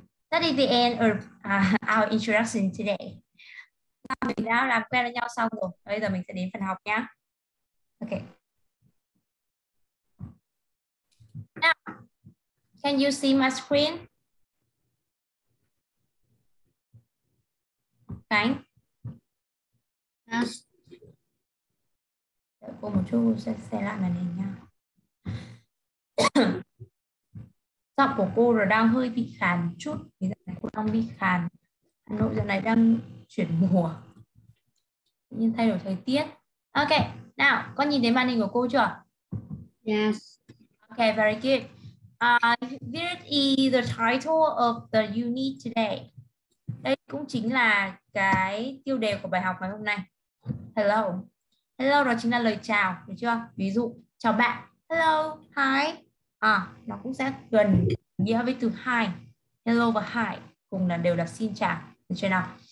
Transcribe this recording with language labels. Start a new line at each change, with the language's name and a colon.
English: That is the end of our introduction today.
Vietnamese: Mình đã làm quen với nhau xong rồi. Bây giờ mình sẽ đến phần học nhé.
English: Okay. Now, can you see my screen? Okay. Yes.
Vietnamese: Đợi cô một chút, cô sẽ xe lại màn hình nha. Giọng của cô rồi đang hơi bị khàn chút. Vì giờ này cô đang bị khàn. Hà Nội giờ này đang chuyển mùa, nhưng thay đổi thời tiết. Ok, nào, con nhìn thấy màn hình của cô chưa?
English: Yes. Ok, very good. This is the title of the unit today.
Vietnamese: Đây cũng chính là cái tiêu đề của bài học ngày hôm nay. Hello. Hello đó chính là lời chào, được chưa? Ví dụ, chào bạn. Hello, hi. Nó cũng sẽ gần nghĩa với từ hi. Hello và hi cùng là đều là xin chào, được chưa nào?